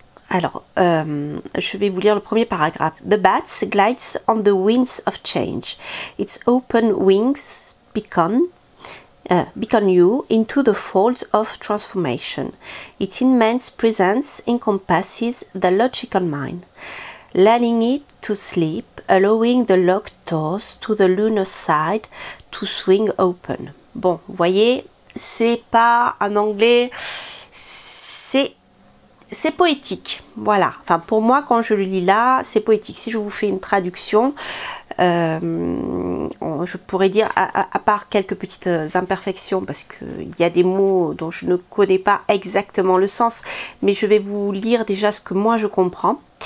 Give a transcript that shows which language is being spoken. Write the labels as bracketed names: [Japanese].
[French] Alors, je vais vous lire le premier paragraphe. [English] The bat glides on the winds of change. Its open wings beckon you into the folds of transformation. Its immense presence encompasses the logical mind, lulling it to sleep, allowing the locked doors to the lunar side to swing open. [French] Bon, vous voyez, c'est pas un anglais, c'est poétique, voilà. Enfin, pour moi, quand je le lis là, c'est poétique. Si je vous fais une traduction, Je pourrais dire, à part quelques petites imperfections, parce qu'il y a des mots dont je ne connais pas exactement le sens, mais je vais vous lire déjà ce que moi je comprends.